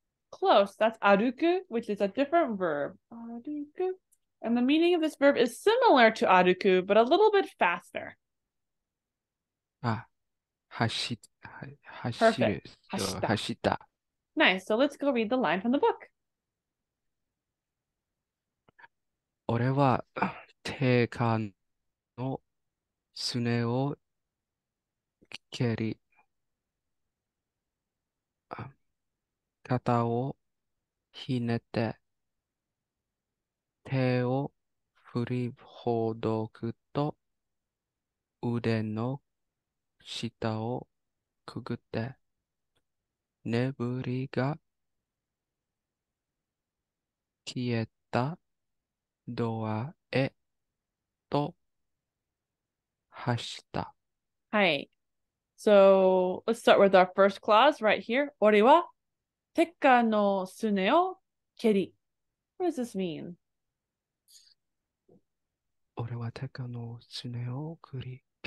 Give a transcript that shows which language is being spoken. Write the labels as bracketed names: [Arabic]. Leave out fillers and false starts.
[English] Close. That's aruku, which is a different verb. Aruku. And the meaning of this verb is similar to aruku, but a little bit faster. [Japanese] Ah. Hashiru. [English] Perfect. [Japanese] Hashita. [English] Nice. So let's go read the line from the book. [Japanese] 俺は定款のすねを蹴り。肩をひねって手を振りほどくと腕の下をくぐって眠りが消えたドアへと走った。はい。 [English] So, let's start with our first clause right here. [Japanese] 俺は鉄火のすねを蹴り。 [English] What does this mean? [Japanese] 俺は鉄火のすねを蹴り。